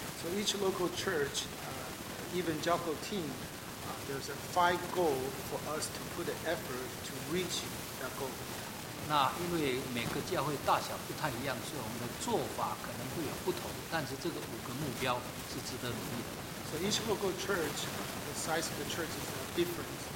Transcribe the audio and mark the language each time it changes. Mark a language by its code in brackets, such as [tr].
[en] So each local church, evangelical team, there's a 5 goal for us to put the effort to reach that goal. [zh] 那因为每个教会大小不太一样，所以我们的做法可能会有不同，但是这个5个目标是值得努力的。 [en] So each local church, the size of the church is different.